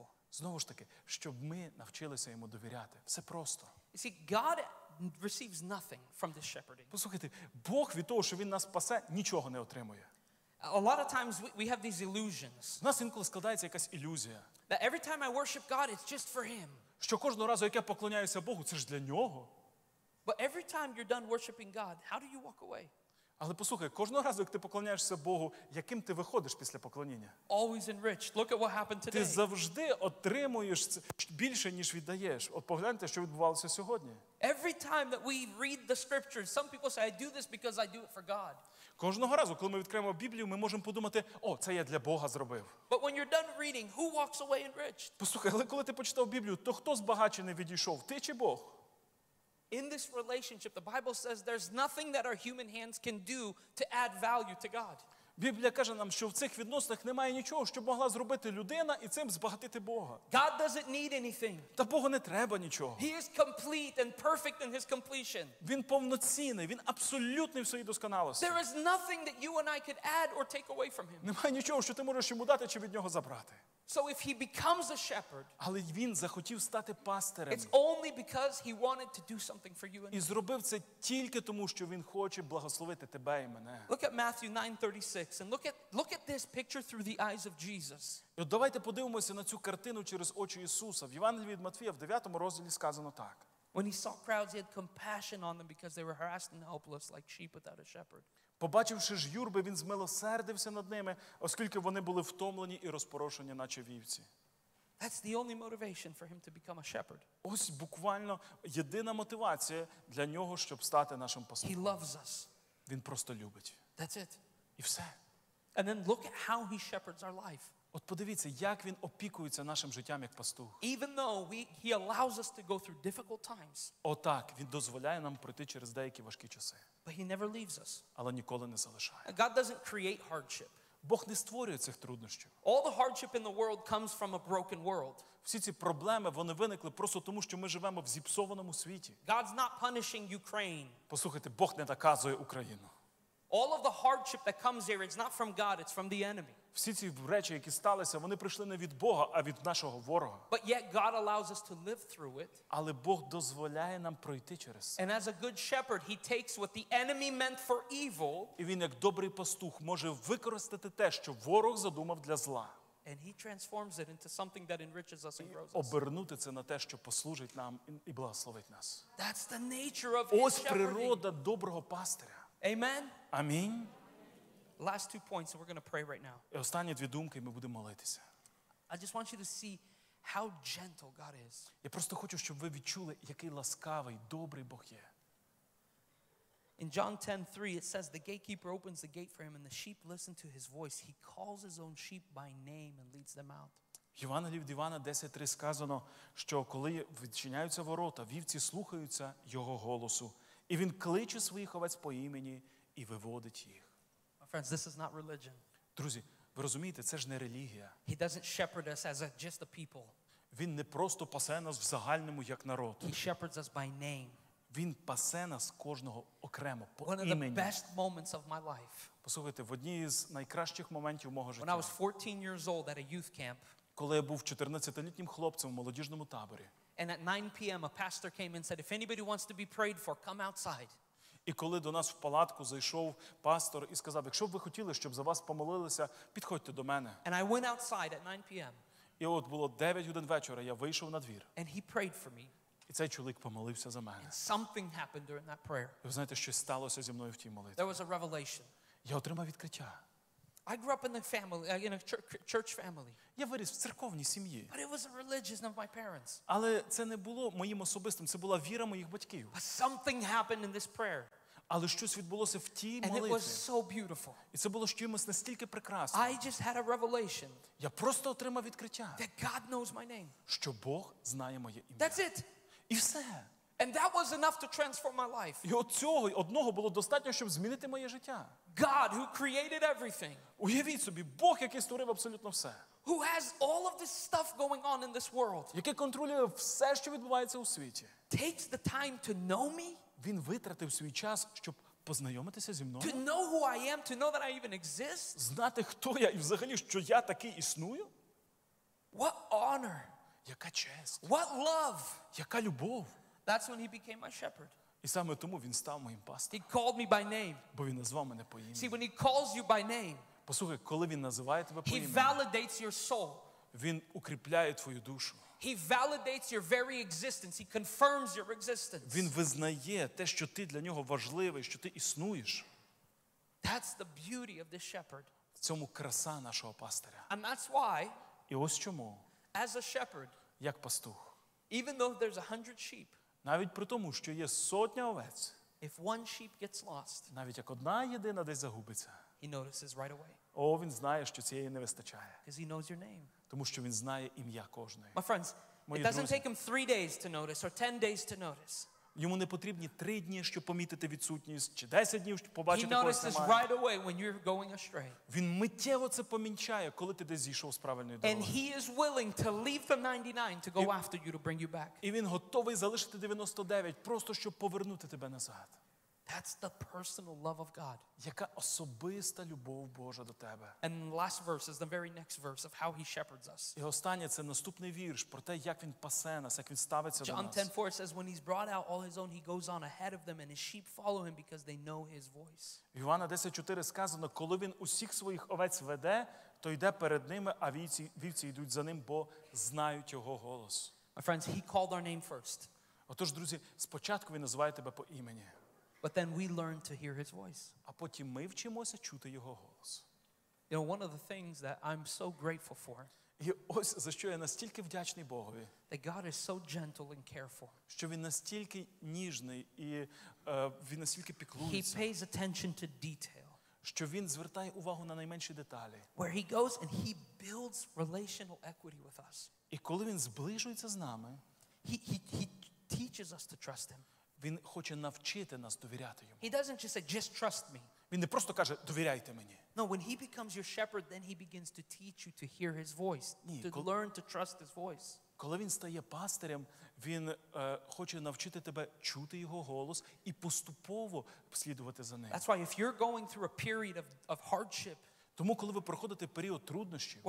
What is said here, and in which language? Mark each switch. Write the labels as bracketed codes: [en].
[uk] Знову ж таки, щоб ми навчилися Йому довіряти. Все просто. [en] You see, God receives nothing from this shepherding. [uk] Послухайте, Бог від того, що він нас спасе, нічого не отримує. [en] A lot of times we have these illusions. [uk] У нас інколи складається якась ілюзія. [en] That every time I worship God, it's just for him. [uk] Що кожного разу, як я поклоняюся Богу, це ж для нього. [en] But every time you're done worshiping God, how do you walk away? [uk] Але послухай, кожного разу, як ти поклоняєшся Богу, яким ти виходиш після поклоніння? [en] Always enriched. Look at what happened today. [uk] Ти завжди отримуєш більше, ніж віддаєш. От погляньте, що відбувалося сьогодні. [en] Every time that we read the scriptures, some people say I do this because I do it for God. [uk] Кожного разу, коли ми відкриваємо Біблію, ми можемо подумати: "О, це я для Бога зробив". [en] But when you're done reading, who walks away enriched? [uk] Послухай, але коли ти почитав Біблію, то хто збагачений відійшов? Ти чи Бог? [en] In this relationship, the Bible says there's nothing that our human hands can do to add value to God. [uk] Біблія каже нам, що в цих відносинах немає нічого, що могла зробити людина і цим збагатити Бога. [en] God doesn't need anything. [uk] Та Богу не треба нічого. [en] He is complete and perfect in his completion. [uk] Він повноцінний, він абсолютний в своїй досконалості. [en] There is nothing that you and I could add or take away from him. [uk] Немає нічого, що ти можеш йому дати чи від нього забрати. [en] So if he becomes a shepherd, [uk] але він захотів стати пастирем, [en] it's only because he wanted to do something for you and me. [uk] І зробив це тільки тому, що він хоче благословити тебе і мене. [en] Look at Matthew 9:36 and look at this picture through the eyes of Jesus. [uk] І от давайте подивимося на цю картину через очі Ісуса. В Євангелії від Матвія в 9 розділі сказано так. [en] When he saw crowds, he had compassion on them because they were harassed and helpless like sheep without a shepherd. [uk] Побачивши ж юрби, він змилосердився над ними, оскільки вони були втомлені і розпорошені, наче вівці. [en] That's the only motivation for him to become a shepherd. [uk] Ось буквально єдина мотивація для нього, щоб стати нашим пастирем. [en] He loves us. [uk] Він просто любить. [en] That's it. [uk] І все. [en] And then look at how he shepherds our life. [uk] От подивіться, як він опікується нашим життям як пастух. [en] Even though he allows us to go through difficult times. [uk] Отак, він дозволяє нам пройти через деякі важкі часи. [en] But he never leaves us. [uk] Але ніколи не залишає. [en] God doesn't create hardship. [uk] Бог не створює цих труднощів. [en] All the hardship in the world comes from a broken world. [uk] Всі ці проблеми, вони виникли просто тому, що ми живемо в зіпсованому світі. [en] God's not punishing Ukraine. [uk] Послухайте, Бог не наказує Україну. [en] All of the hardship that comes here, it's not from God, it's from the enemy. [uk] Всі ці речі, які сталися, вони прийшли не від Бога, а від нашого ворога. [en] But yet God allows us to live through it. [uk] Але Бог дозволяє нам пройти через це. [en] And as a good shepherd, he takes what the enemy meant for evil. [uk] І він, як добрий пастух, може використати те, що ворог задумав для зла. [en] And he transforms it into something that enriches us and grows us. [uk] Обернути це на те, що послужить нам і благословить нас. [en] That's the nature of his shepherding. [uk] Ось природа доброго пастиря. [en] Amen. [uk] Амінь. [en] Last two points and we're going to pray right now. [uk] І останні дві думки, ми будемо молитися. [en] I just want you to see how gentle God is. [uk] Я просто хочу, щоб ви відчули, який ласкавий, добрий Бог є. [en] In John 10:3 it says the gatekeeper opens the gate for him and the sheep listen to his voice. He calls his own sheep by name and leads them out. [uk] В Євангелії від Івана 10:3 сказано, що коли відчиняються ворота, вівці слухаються його голосу, і він кличе своїх овець по імені і виводить їх. [en] Friends, this is not religion. [uk] Друзі, ви розумієте, це ж не релігія. [en] He doesn't shepherd us as just a people. [uk] Він не просто пасе нас в загальному як народ. [en] He shepherds us by name. [uk] Він пасе нас кожного окремо по імені. [en] One of the best moments of my life. [uk] Послухайте, в одній із найкращих моментів мого життя. [en] When I was 14 years old at a youth camp. [uk] Коли я був 14-літнім хлопцем у молодіжному таборі. [en] And at 9 p.m. a pastor came and said, if anybody wants to be prayed for, come outside. [uk] І коли до нас в палатку зайшов пастор і сказав, якщо б ви хотіли, щоб за вас помолилися, підходьте до мене. [en] And I went outside at 9 p.m. [uk] І от було 9 годин вечора, я вийшов на двір. [en] And he prayed for me. [uk] І цей чоловік помолився за мене. [en] And something happened during that prayer. [uk] І ви знаєте, щось сталося зі мною в тій молитві. [en] There was a revelation. [uk] Я отримав відкриття. [en] I grew up in a family, in a church family. [uk] Я виріс в церковній сім'ї. [en] But it was a religion of my parents. [uk] Але це не було моїм особистим, це була віра моїх батьків. [en] But something happened in this prayer. [uk] Але щось відбулося в тій молитві. [en] And it was so beautiful. [uk] І це було чимось настільки прекрасним. [en] I just had a revelation. [uk] Я просто отримав відкриття. [en] That God knows my name. [uk] Що Бог знає моє ім'я. [en] That's it. [uk] І все. [en] And that was enough to transform my life. [uk] І от цього одного було достатньо, щоб змінити моє життя. [en] God who created everything. [uk] Уявіть собі, Бог, який створив абсолютно все. [en] Who has all of this stuff going on in this world. [uk] Який контролює все, що відбувається у світі. [en] Takes the time to know me. [uk] Він витратив свій час, щоб познайомитися зі мною. [en] To know who I am, to know that I even exist. [uk] Знати, хто я і взагалі, що я такий існую. [en] What honor. [uk] Яка честь. [en] What love. [uk] Яка любов. [en] That's when he became my shepherd. [uk] І саме тому він став моїм пастором. [en] He called me by name. [uk] Бо він назвав мене по ім'ї. [en] See, when he calls you by name, [uk] послухай, коли він називає тебе по ім'ї, [en] he validates your soul. [uk] Він укріпляє твою душу. [en] He validates your very existence. He confirms your existence. [uk] Він визнає те, що ти для нього важливий, що ти існуєш. [en] That's the beauty of the shepherd. [uk] В цьому краса нашого пастиря. [en] And that's why, [uk] і ось чому, [en] as a shepherd, [uk] як пастух, [en] even though there's 100 sheep, [uk] навіть при тому, що є сотня овець, [en] if one sheep gets lost, [uk] навіть як одна єдина десь загубиться, [en] he notices right away. [uk] О, він знає, що цієї не вистачає. [en] Because he knows your name. [uk] Тому що він знає ім'я кожної. [en] My friends, it doesn't take him 3 days to notice or 10 days to notice. [uk] Йому не потрібні 3 дні, щоб помітити відсутність, чи 10 днів, щоб побачити когось немає. [en] He notices right away when you're going astray. [uk] Він миттєво це помічає, коли ти десь зійшов з правильної дороги. [en] And he is willing to leave the 99 to go after you to bring you back. [uk] І він готовий залишити 99 просто щоб повернути тебе назад. [en] That's the personal love of God. [uk] Яка особиста любов Божа до тебе. [en] And last verse is the very next verse of how he shepherds us. [uk] І останнє це наступний вірш про те, як він пасе нас, як він ставиться до нас. [en] John 10:4 says when he's brought out all his own, he goes on ahead of them and his sheep follow him because they know his voice. [uk] В Івана 10:4 сказано, коли він усіх своїх овець веде, то йде перед ними, а вівці йдуть за ним, бо знають його голос. [en] My friends, he called our name first. [uk] Отож, друзі, спочатку він називає тебе по імені. [en] But then we learn to hear his voice. [uk] А потім ми вчимося чути його голос. [en] You know, one of the things that I'm so grateful for. [uk] І ось за що я настільки вдячний Богові. [en] That God is so gentle and careful. [uk] Що він настільки ніжний і він настільки піклується. [en] He pays attention to detail. [uk] Що він звертає увагу на найменші деталі. [en] Where he goes and he builds relational equity with us. [uk] І коли він зближується з нами, [en] he teaches us to trust him. [uk] Він хоче навчити нас довіряти йому. [en] He doesn't just say, just trust me. [uk] Він не просто каже, довіряйте мені. [en] No, when he becomes your shepherd, then he begins to teach you to hear his voice, learn to trust his voice. [uk] Коли він стає пастирем, він хоче навчити тебе чути його голос і поступово слідувати за ним. [en] That's why if you're going through a period of hardship, [uk] тому коли ви проходите період труднощів,